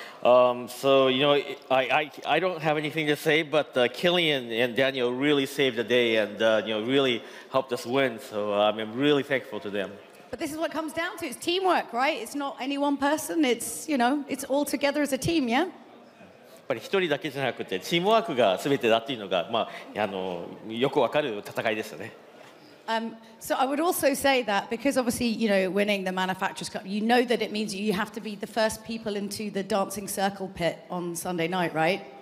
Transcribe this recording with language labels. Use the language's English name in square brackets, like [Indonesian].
[English] So, you know, I don't have anything to say, but Killian and Daniel really saved the day and, you know, really helped us win. So I'm really thankful to them. But this is what it comes down to. It's teamwork, right? It's not any one person. It's, you know, it's all together as a team, yeah? [Japanese] やっぱり一人だけじゃなくて、チームワークが全てだっていうのが、よくわかる戦いですよね。 [English] So I would also say that because obviously, you know, winning the Manufacturers Cup, you know that it means you have to be the first people into the dancing circle pit on Sunday night, right?